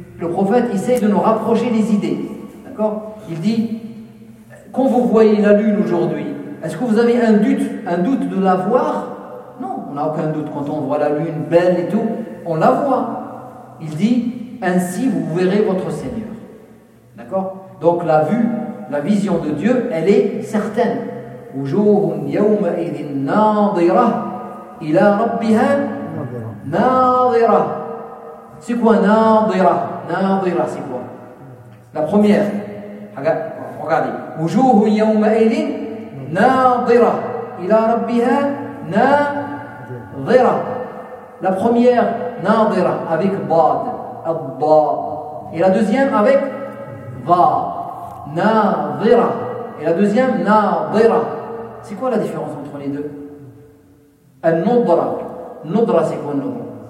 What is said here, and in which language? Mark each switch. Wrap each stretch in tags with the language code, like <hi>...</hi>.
<fr>Le prophète essaie de nous rapprocher des idées. D'accord? Il dit, quand vous voyez la lune aujourd'hui, est-ce que vous avez un doute de la voir? Non, on n'a aucun doute quand on voit la lune belle et tout, on la voit. Il dit, ainsi vous verrez votre Seigneur. D'accord? Donc la vue, la vision de Dieu, elle est certaine.</fr> <ar>وجوه يومئذ ناظرة إلى ربها ناظرة.</ar> <fr>C'est quoi ناظرة? ناظرة c'est quoi? La première. Regardez.</fr> <ar>وجوه يومئذ ناظرة إلى ربها ناظرة.</ar> <fr>La première ناظرة avec باد الضاء. Et la deuxième avec ظاء ناظرة. Et la deuxième ناظرة. C'est quoi la différence entre les deux? Al-Nudra. Nudra, c'est quoi Nudra?</fr>